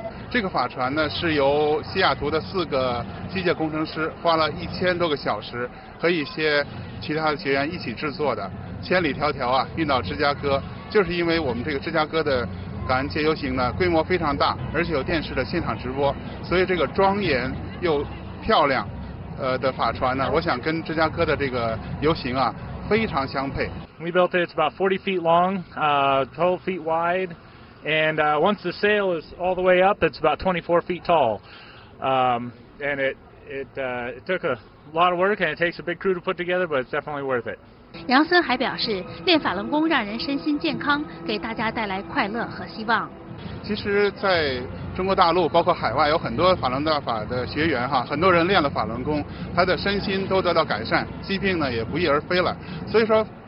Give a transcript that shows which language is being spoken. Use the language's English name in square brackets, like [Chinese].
[Chinese] 这个法船呢，是由西雅图的4个机械工程师花了1000多个小时和一些其他的学员一起制作的，千里迢迢啊运到芝加哥，就是因为我们这个芝加哥的感恩节游行呢规模非常大，而且有电视的现场直播，所以这个庄严又漂亮的法船呢，我想跟芝加哥的这个游行啊非常相配。 [English] We built it, it's about 40 feet long, 12 feet wideAnd once the sail is all the way up, it's about 24 feet tall. And it took a lot of work, and it takes a big crew to put together, but it's definitely worth it. [Chinese] 杨森还表示，练法轮功让人身心健康，给大家带来快乐和希望。其实在中国大陆包括海外有很多法轮大法的学员哈，很多人练了法轮功，他的身心都得到改善，疾病呢也不翼而飞了。所以说